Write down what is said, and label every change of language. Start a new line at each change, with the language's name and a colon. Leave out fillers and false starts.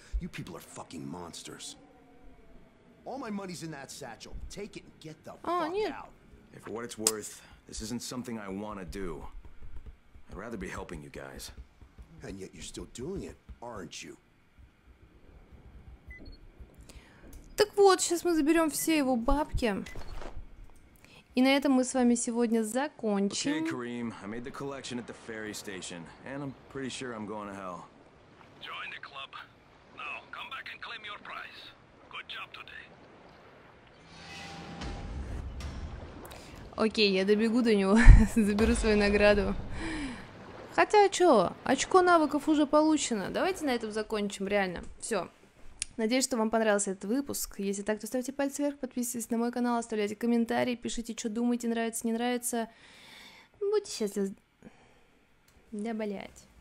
English: You people are fucking monsters. All my money's in that satchel. Take it and get the fuck out. If for what it's worth, this isn't something I want to do. I'd rather be helping you guys. And yet you're still doing it, aren't you?
Russian: Так вот, сейчас мы заберем все его бабки. И на этом мы с вами сегодня закончим.
English: Okay, Kareem, I made the collection at the ferry station, and I'm pretty sure I'm going to hell. Join the club. Now, come back and claim your prize. Good job today.
Russian: Окей, я добегу до него, заберу свою награду. Хотя, чё, очко навыков уже получено. Давайте на этом закончим, реально. Все. Надеюсь, что вам понравился этот выпуск. Если так, то ставьте палец вверх, подписывайтесь на мой канал, оставляйте комментарии, пишите, что думаете, нравится, не нравится. Будьте счастливы. Да, блять.